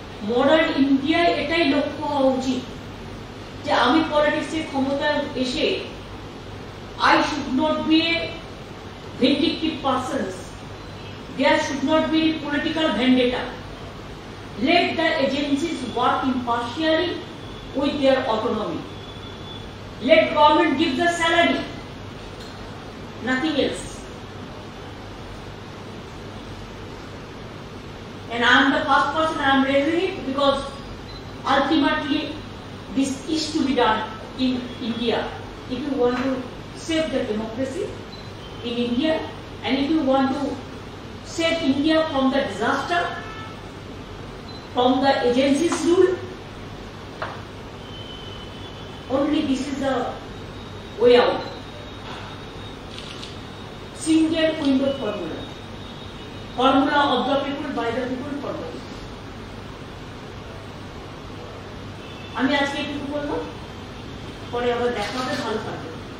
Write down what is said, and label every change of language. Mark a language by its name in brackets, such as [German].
[Bangla] Modern ইন্ডিয়ায় এটাই লক্ষ্য হওয়া উচিত যে আমি পলিটিক্সে ক্ষমতায় এসে [English] I should not be a vindictive person, there should not be political vendetta, let the agencies work impartially with their autonomy, let government give the salary, nothing else. And I am the first person I am raising it because ultimately this is to be done in India. If you want to save the democracy in India and if you want to save India from the disaster, from the agency's rule, only this is the way out. Single window formula. Formula of the people, by the people, for the people. [Bangla] আমি আজকে একটু বললাম, পরে আবার দেখা হবে, ভালো থাকবে।